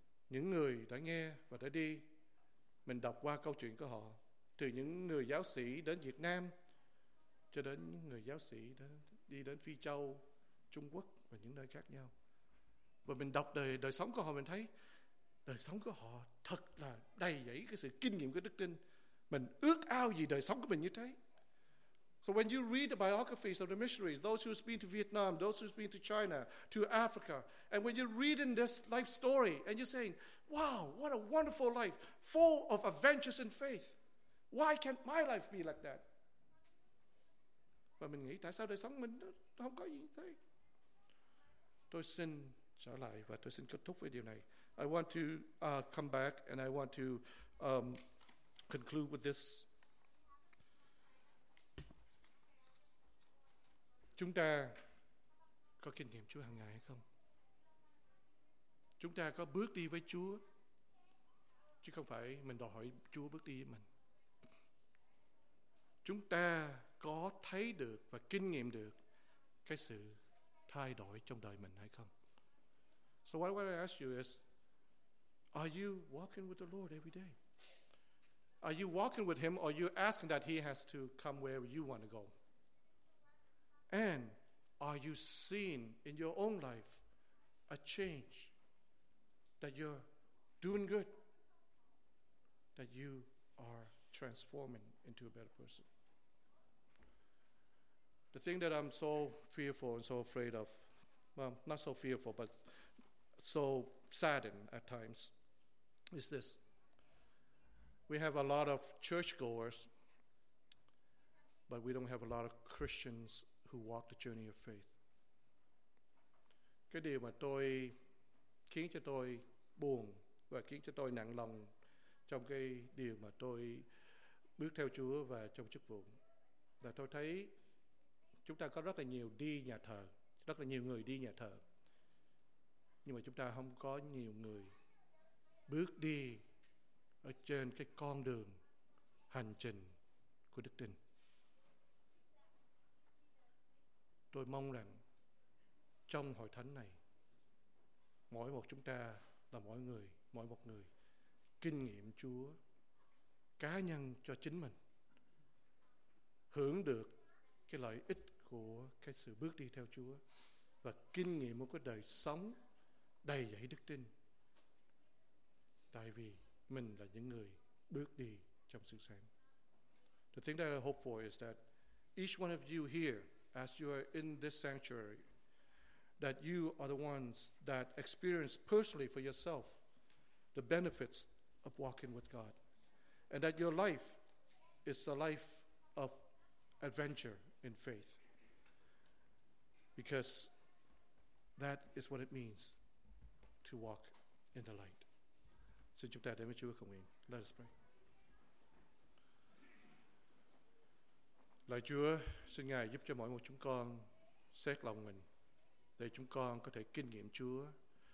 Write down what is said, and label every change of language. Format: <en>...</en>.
<vi>Những người đã nghe và đã đi, mình đọc qua câu chuyện của họ, từ những người giáo sĩ đến Việt Nam cho đến những người giáo sĩ đi đến Phi Châu, Trung Quốc và những nơi khác nhau. Và mình đọc đời sống của họ, mình thấy đời sống của họ thật là đầy dẫy cái sự kinh nghiệm của đức tin. Mình ước ao gì đời sống của mình như thế.</vi> <en>So when you read the biographies of the missionaries, those who's been to Vietnam, those who's been to China, to Africa, and when you're reading this life story, and you're saying, wow, what a wonderful life, full of adventures and faith. Why can't my life be like that?</en> <vi>Và mình nghĩ tại sao đời sống mình không có gì như thế. Tôi xin trở lại và tôi xin kết thúc với điều này.</vi> <en>I want to come back and I want to conclude with this.</en> <vi>Chúng ta có kinh nghiệm Chúa hàng ngày hay không? Chúng ta có bước đi với Chúa chứ không phải mình đòi hỏi Chúa bước đi với mình. Chúng ta có thấy được và kinh nghiệm được cái sự thay đổi trong đời mình hay không?</vi> <en>So what I want to ask you is, are you walking with the Lord every day? Are you walking with Him, or are you asking that He has to come where you want to go? And are you seeing in your own life a change that you're doing good, that you are transforming into a better person? The thing that I'm so fearful and so afraid of, well, not so fearful, but so saddened at times, is this. We have a lot of churchgoers, but we don't have a lot of Christians who walk the journey of faith.</en> <vi>Cái điều mà tôi khiến cho tôi buồn và khiến cho tôi nặng lòng trong cái điều mà tôi bước theo Chúa và trong chức vụ là tôi thấy chúng ta có rất là nhiều đi nhà thờ, rất là nhiều người đi nhà thờ. Nhưng mà chúng ta không có nhiều người bước đi ở trên cái con đường hành trình của đức tin. Tôi mong rằng trong hội thánh này, mỗi một chúng ta là mỗi một người kinh nghiệm Chúa cá nhân cho chính mình, hưởng được cái lợi ích của cái sự bước đi theo Chúa và kinh nghiệm một cái đời sống đầy dẫy đức tin, tại vì mình là những người bước đi trong sự sáng.</vi> <en>The thing that I hope for is that each one of you here, as you are in this sanctuary, that you are the ones that experience personally for yourself the benefits of walking with God, and that your life is a life of adventure in faith, because that is what it means to walk in the light.</en> <vi>Xin chúng ta đến với Chúa cầu nguyện.</vi> <en>Let us pray.</en> <vi>Lạy Chúa, xin Ngài giúp cho mỗi một chúng con xét lòng mình để chúng con có thể kinh nghiệm Chúa</vi>